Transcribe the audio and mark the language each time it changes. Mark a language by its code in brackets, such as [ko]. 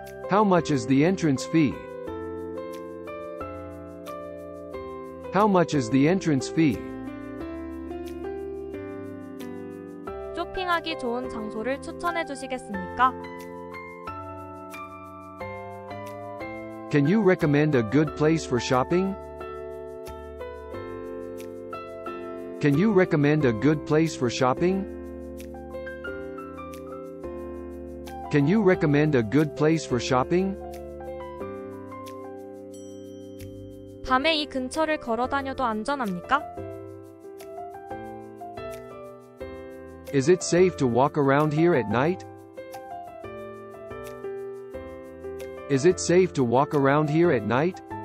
[en] How much is the entrance fee? How much is the entrance fee? [ko] 쇼핑하기 좋은 장소를 추천해 주시겠습니까? [en] Can you recommend a good place for shopping? Can you recommend a good place for shopping? Can you recommend a good place for shopping? [ko] 밤에 이 근처를 걸어 다녀도 안전합니까? [en] Is it safe to walk around here at night? Is it safe to walk around here at night?